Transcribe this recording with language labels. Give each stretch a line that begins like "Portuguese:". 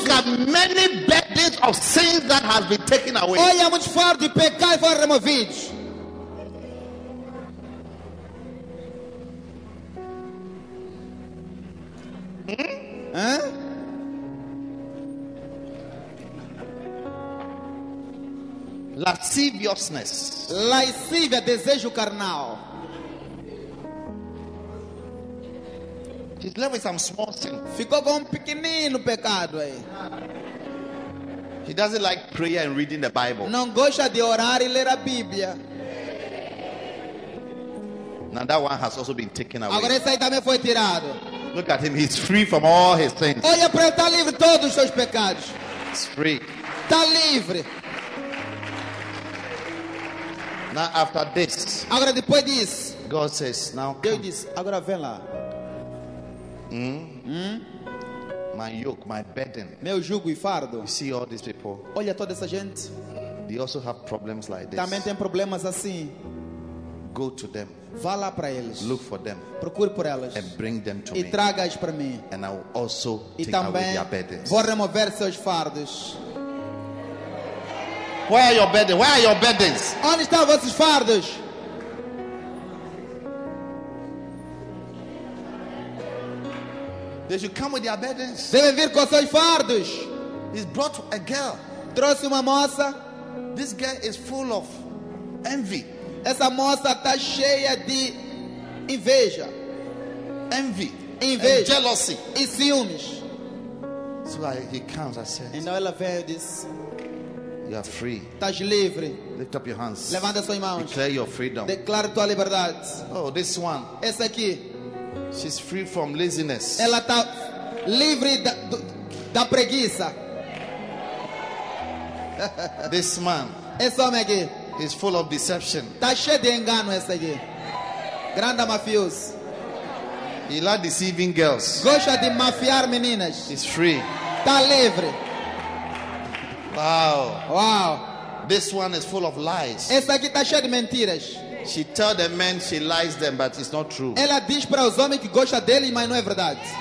English: look at many burdens of sins that have been taken away.
Portuguese: Olha muitos fardos de pecado foram removidos.
English: Lasciviousness.
Portuguese: Lascívia, desejo carnal.
English: He's left with some small sin.
Portuguese: Ficou com pequenino pecado aí.
English: He doesn't like prayer and reading the Bible.
Portuguese: Não gosta de orar e ler a Bíblia.
English: Now that one has also been taken away.
Portuguese: Agora esse aí também foi tirado.
English: Look at him, he's free from all his sins.
Portuguese: Olha para ele, está livre de todos os seus pecados.
English: He's free.
Portuguese: Está livre.
English: Now after this.
Portuguese: Agora depois disso.
English: God says, now come.
Portuguese: Deus diz, agora vem lá.
English: My yoke, my burden.
Portuguese: Meu jugo e fardo.
English: You see all these people.
Portuguese: Olha toda essa gente.
English: They also have problems like this.
Portuguese: Também tem problemas assim.
English: Go to them.
Portuguese: Vá lá para eles.
English: Look for them.
Portuguese: Procure por elas.
English: And bring them to me.
Portuguese: E traga-as para mim.
English: And I will also
Portuguese: e
English: take away your burdens.
Portuguese: Vou remover seus fardos.
English: Where are your burdens? Where are your burdens?
Portuguese: Onde estão vossos fardos?
English: They should come with their burdens.
Portuguese: Devem vir com seus fardos.
English: He's brought a girl.
Portuguese: Trouxe uma moça.
English: This girl is full of envy.
Portuguese: Essa moça está cheia de inveja.
English: Envy.
Portuguese: Inveja.
English: And jealousy.
Portuguese: E ciúmes.
English: So he comes, I said. And now
Portuguese: ela vê
English: this. You are free.
Portuguese: Estás livre.
English: Lift up your hands.
Portuguese: Levanta suas mãos.
English: Declare your freedom.
Portuguese: Declare tua liberdade.
English: Oh, this one.
Portuguese: Essa aqui.
English: She's free from laziness.
Portuguese: Ela está livre da preguiça.
English: This man.
Portuguese: Esse homem aqui.
English: He's full of deception.
Portuguese: Está cheio de engano esse aqui. Grande mafioso.
English: He likes deceiving girls.
Portuguese: Gosta de mafiar meninas.
English: He's free.
Portuguese: Está livre. Wow. Wow.
English: This one is full of lies.
Portuguese: Esse aqui está cheio de mentiras.
English: She tells the men she likes them, but it's not true.
Portuguese: Ela diz para os homens que gosta dele, mas não é verdade.